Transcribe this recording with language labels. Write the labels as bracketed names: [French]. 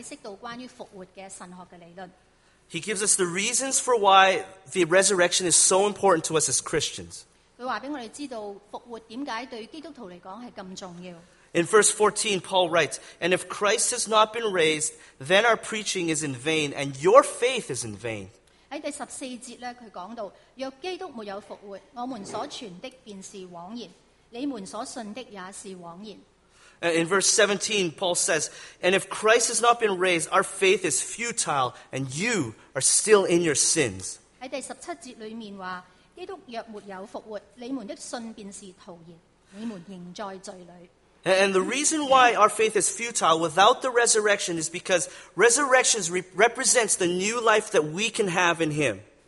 [Chinese] 在这个节经文之前，保罗是很详细地解释到关于复活的神学的理论。 [English] He gives us the reasons for why the resurrection is so important to us as Christians. [Chinese] 他告诉我们，复活为什么对基督徒来说是这么重要。 [English] In verse 14, Paul writes, And if Christ has not been raised, then our preaching is in vain, and your faith is in vain. [Chinese] 在第14节，他说到，若基督没有复活，我们所传的便是谎言，你们所信的也是谎言。 [English] In verse 17, Paul says, And if Christ has not been raised, our faith is futile, and you are still in your sins. [Chinese] 在第17节里面说，基督若没有复活，你们的信便是徒然，你们仍在罪里。 [English] And the reason why our faith is futile without the resurrection is because resurrection represents the new life that we can have in Him.